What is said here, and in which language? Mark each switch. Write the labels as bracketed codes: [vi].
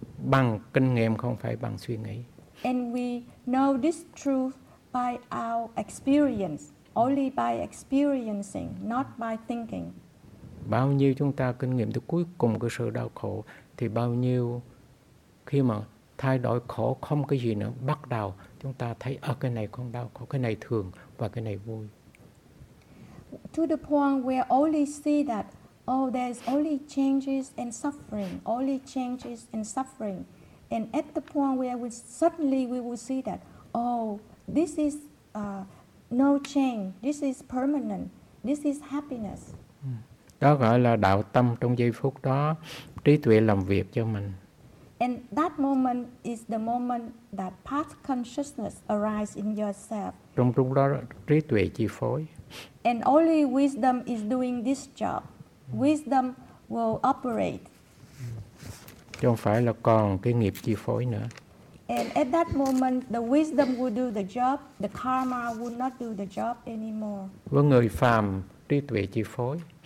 [vi] Bằng kinh nghiệm không phải bằng suy nghĩ. [en] And we know this truth by our experience, only by experiencing, not by thinking. [vi] Bao nhiêu chúng ta kinh nghiệm được cuối cùng cái sự đau khổ thì bao nhiêu khi mà thay đổi khổ không cái gì nữa, bắt đầu chúng ta thấy ở cái này không đau khổ, cái này thường và cái này vui. [en] To the point where only see that oh, there's only changes and suffering, only changes and suffering. And at the point where we suddenly we will see that, oh, this is no change, this is permanent, this is happiness. [vi] Đó gọi là đạo tâm trong giây phút đó, trí tuệ làm việc cho mình. [en] And that moment is the moment that path consciousness arises in yourself. [vi] Trong lúc đó trí tuệ chi phối. [en] And only wisdom is doing this job. Wisdom will operate. [vi] Chứ không phải là còn cái nghiệp chi phối nữa. [en] And at that moment, the wisdom will do the job. The karma will not do the job anymore. [vi] Với người phàm, trí tuệ chi phối.